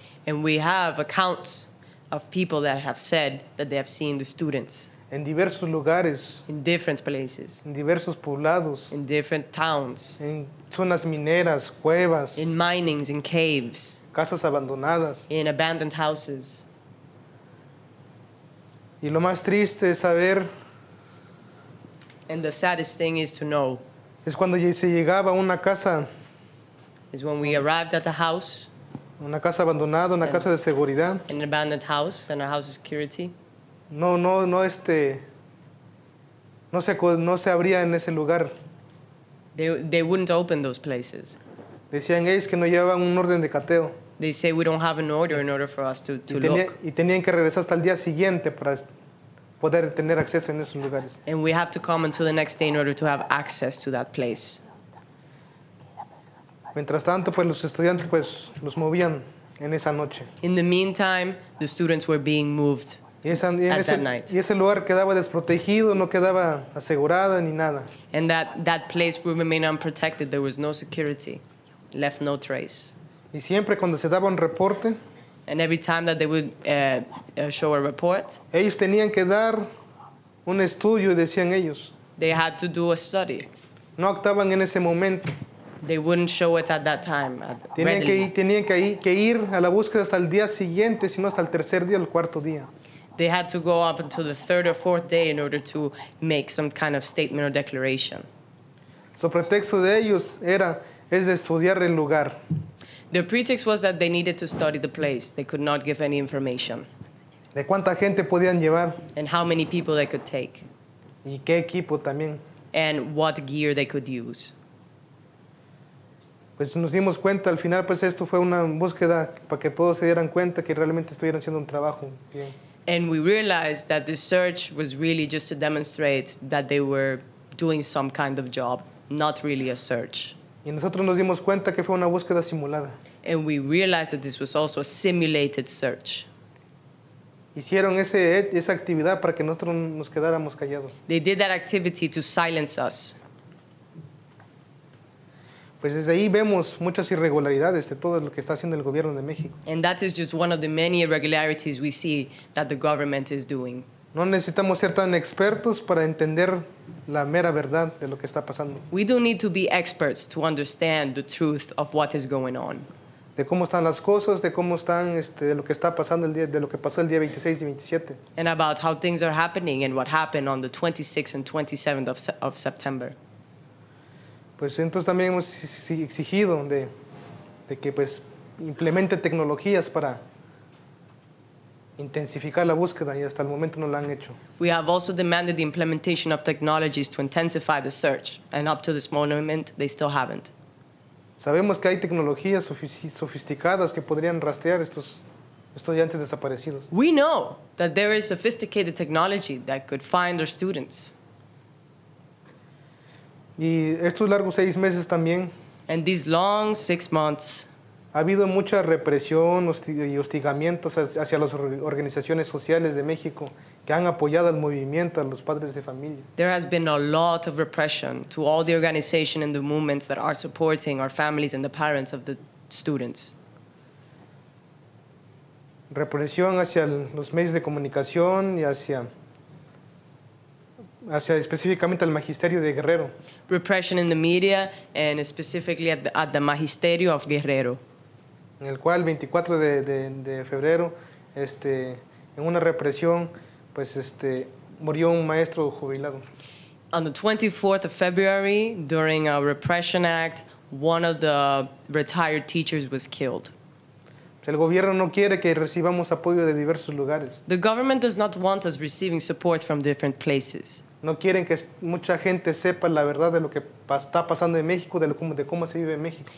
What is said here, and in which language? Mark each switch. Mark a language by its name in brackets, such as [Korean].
[English] And we have accounts of people that have said that they have seen the students. [Spanish] En diversos lugares. [English] In different places. [Spanish] En diversos poblados. [English] In different towns. [Spanish] En zonas mineras, cuevas. [English] In minings, in caves. [Spanish] Casas abandonadas. [English] In abandoned houses. [Spanish] Y lo más triste es saber. [English] And the saddest thing is to know. [Spanish] Es cuando se llegaba a una casa. [English] Is when we arrived at a house. [Spanish] Una casa abandonada, una casa de seguridad. [English] An abandoned house and a house of security. [Spanish] No se abría en ese lugar. [English] They wouldn't open those places. [Spanish] Decían ellos que no llevaban un orden de cateo. [English] They say we don't have an order in order for us to look. [Spanish] Y tenían que regresar hasta el día siguiente para poder tener acceso en esos lugares. [English] And we have to come until the next day in order to have access to that place. [Spanish] Mientras tanto, pues los estudiantes pues los movían en esa noche. [English] In the meantime, the students were being moved. [Spanish] Y ese lugar quedaba desprotegido, no quedaba asegurada ni nada. [English] And that place would remain unprotected. There was no security. Left no trace. [Spanish] Y siempre cuando se daba un reporte. [English] And every time that they would show a report. [Spanish] Ellos tenían que dar un estudio, decían ellos. [English] They had to do a study. [Spanish] No actaban en ese momento. [English] They wouldn't show it at that time. [Spanish] Tenían que ir a la búsqueda hasta el día siguiente, sino hasta el tercer día o el cuarto día. [English] They had to go up until the third or fourth day in order to make some kind of statement or declaration. [Spanish] So pretexto de ellos era, es de estudiar el lugar. [English] The pretext was that they needed to study the place. They could not give any information. [Spanish] De cuánta gente podían llevar. [English] And how many people they could take. [Spanish] Y qué equipo también. [English] And what gear they could use. [Spanish] pues nos dimos cuenta al final, pues esto fue una búsqueda para que todos se dieran cuenta que realmente estuvieran haciendo un trabajo bien. [English] And we realized that the search was really just to demonstrate that they were doing some kind of job, not really a search. [Spanish] Y nosotros nos dimos cuenta que fue una búsqueda simulada. [English] And we realized that this was also a simulated search. [Spanish] Hicieron ese, esa actividad para que nosotros nos quedáramos callados. [English] They did that activity to silence us. [Spanish] Pues desde ahí vemos muchas irregularidades de todo lo que está haciendo el gobierno de México. [English] And that is just one of the many irregularities we see that the government is doing. [Spanish] No necesitamos ser tan expertos para entender la mera verdad de lo que está pasando. [English] We don't need to be experts to understand the truth of what is going on. [Spanish] De cómo están las cosas, de cómo están, de lo que está pasando el día, de lo que pasó el día 26 y 27. [English] And about how things are happening and what happened on the 26th and 27th of September. [Spanish] Pues entonces también hemos exigido de que pues implemente tecnologías para intensificar la búsqueda y hasta el momento no lo han hecho. [English] We have also demanded the implementation of technologies to intensify the search, and up to this moment they still haven't. [Spanish] Sabemos que hay tecnologías sofisticadas que podrían rastrear estos estudiantes desaparecidos. [English] We know that there is sophisticated technology that could find our students. [Spanish] Y estos largos 6 meses también. [English] And these long 6 months. [Spanish] Ha habido mucha represión y hostigamientos hacia las organizaciones sociales de México que han apoyado al movimiento, a los padres de familia. [English] There has been a lot of repression to all the organizations and the movements that are supporting our families and the parents of the students. [Spanish] Represión hacia los medios de comunicación y hacia específicamente al magisterio de Guerrero. [English] Repression in the media and specifically at the magisterio of Guerrero. [Spanish] En el cual 24 de febrero, en una represión, pues murió un maestro jubilado. [English] On the 24th of February, during a repression act, one of the retired teachers was killed. [Spanish] El gobierno no quiere que recibamos apoyo de diversos lugares. [English] The government does not want us receiving support from different places. [Spanish] No quieren que mucha gente sepa la verdad de lo que está pasando en México, de cómo se vive en México.